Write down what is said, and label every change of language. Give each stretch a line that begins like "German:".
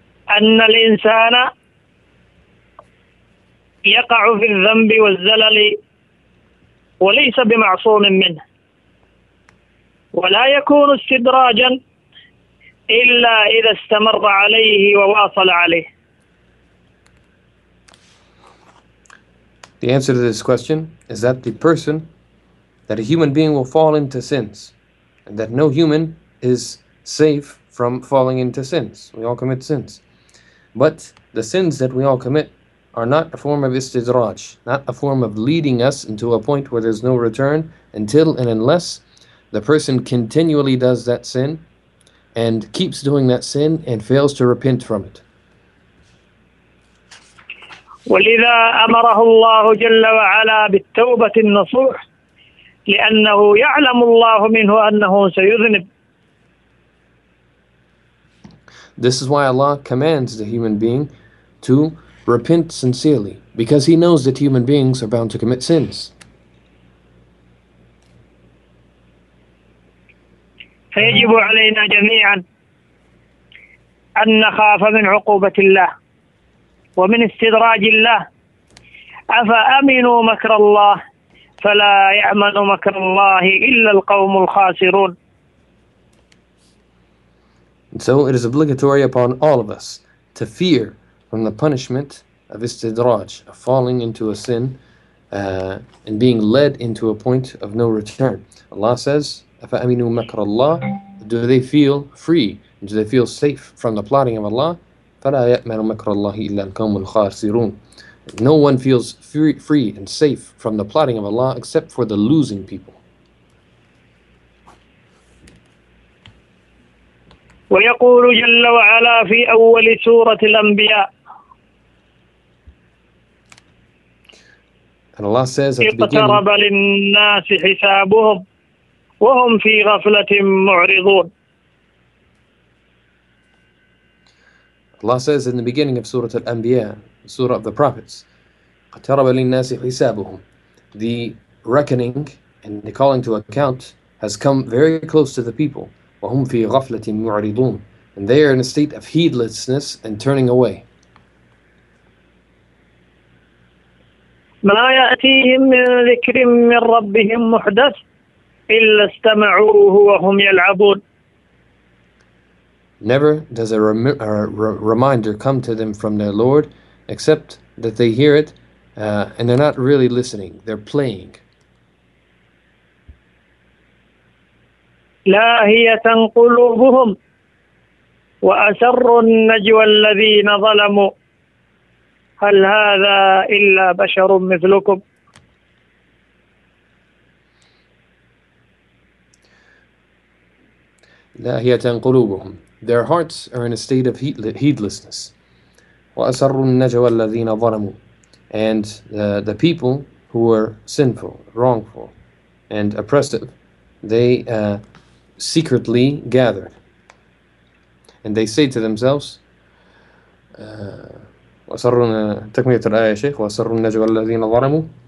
Arabic: أن الإنسان يقع في الذنب والزلل وليس بمعصوم منه. ولا يكون استدراجا إلا إذا استمر عليه وواصل عليه.
English: The answer to this question is that the person, that a human being will fall into sins, and that no human is safe from falling into sins. We all commit sins. But the sins that we all commit are not a form of istidraj, not a form of leading us into a point where there's no return until and unless the person continually does that sin and keeps doing that sin and fails to repent from it.
Arabic: ولذا أمره الله جل وعلا بالتوبة النصوح لأنه يعلم الله منه أنه سيذنب.
English: This is why Allah commands the human being to repent sincerely because he knows that human beings are bound to commit sins.
Arabic: فيجب علينا جميعا أن نخاف من عقوبة الله ومن استدراج الله أفأمنوا مكر الله فلا يعمل مكر الله إلا القوم الخاسرون.
English: And so it is obligatory upon all of us to fear from the punishment of istidraj, of falling into a sin and being led into a point of no return. Allah says,
Arabic: أَفَأَمِنُوا مَكْرَ اللَّهِ.
English: Do they feel free? Do they feel safe from the plotting of Allah?
Arabic: فَلَا يَأْمَنُ مَكْرَ اللَّهِ إِلَّا الْقَوْمُ الْخَاسِرُونَ.
English: No one feels free and safe from the plotting of Allah except for the losing people.
Arabic: ويقول جل وعلا في أول سورة الأنبياء.
English: And Allah says at the beginning,
Arabic: اقترب للناس حسابهم وهم في غفلة معرضون.
English: Allah says in the beginning of Surah Al-Anbiya, Surah of the Prophets,
Arabic: اقترب للناس حسابهم.
English: The reckoning and the calling to account has come very close to the people.
Arabic: وَهُمْ فِي غَفْلَةٍ مُعْرِضُونَ.
English: And they are in a state of heedlessness and turning away.
Arabic: مَا يَأْتِيهِمْ مِنْ ذِكْرٍ مِنْ رَبِّهِمْ مُحْدَثٍ إِلَّا اسْتَمَعُوهُ وَهُمْ يَلْعَبُونَ.
English: Never does a reminder come to them from their Lord, except that they hear it, and they're not really listening. They're playing.
Arabic: لاهية قلوبهم وأسروا النجوى الذين ظلموا هل هذا إلا بشر مثلكم. لاهية قلوبهم.
English: Their hearts are in a state of heedlessness.
Arabic: وَأَسَرُّ النَّجْوَى الَّذِينَ ظَلَمُوا.
English: And the people who were sinful, wrongful, and oppressive, they secretly gathered. And they say to themselves,
Arabic: تَكْمِيَةُ الْآيَةِ شَيْخُ وَأَسَرُّ النَّجْوَى الَّذِينَ ظَلَمُوا.